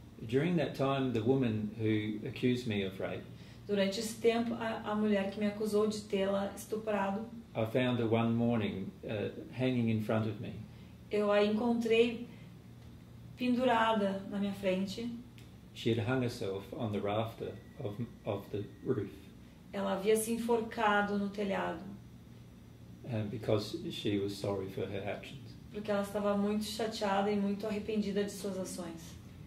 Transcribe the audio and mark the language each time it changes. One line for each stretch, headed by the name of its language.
English: During that time, the woman who accused me of rape.
Portuguese: Durante esse tempo, a mulher que me acusou de tê-la estuprado.
English: I found her one morning hanging in front of me.
Portuguese: Eu a encontrei pendurada na minha frente.
English: She had hung herself on the rafter of the roof.
Portuguese: Ela havia se enforcado no telhado.
English: And because she was sorry for her actions.
Portuguese: Porque ela estava muito chateada e muito arrependida de suas ações.